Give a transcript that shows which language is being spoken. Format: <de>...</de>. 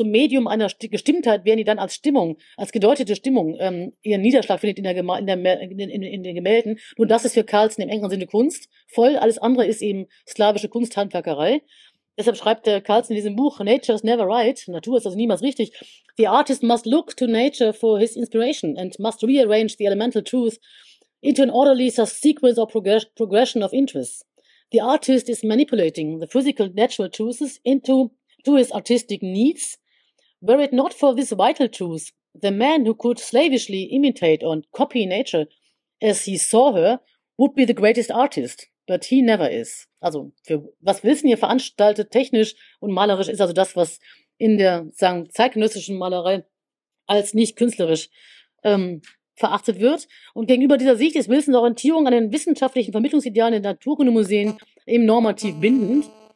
<de>Zum Medium einer Gestimmtheit werden die dann als Stimmung, als gedeutete Stimmung, ihren Niederschlag findet in den Gemälden. Nun, das ist für Carlson im engeren Sinne Kunst. Voll. Alles andere ist eben sklavische Kunsthandwerkerei. Deshalb schreibt der Carlson in diesem Buch,</de> <en>Nature is never right,</en> <de>Natur ist also niemals richtig.</de> <en>The artist must look to nature for his inspiration and must rearrange the elemental truth into an orderly sequence or progression of interests. The artist is manipulating the physical natural truths into to his artistic needs. Were it not for this vital truth, the man who could slavishly imitate or copy nature as he saw her would be the greatest artist. But he never is.</en> <de>Also, für was Wilson hier veranstaltet, technisch und malerisch, ist also das, was in der, sagen, zeitgenössischen Malerei als nicht künstlerisch verachtet wird. Und gegenüber dieser Sicht ist Wilsons Orientierung an den wissenschaftlichen Vermittlungsidealen der Naturkundemuseen eben normativ bindend.</de>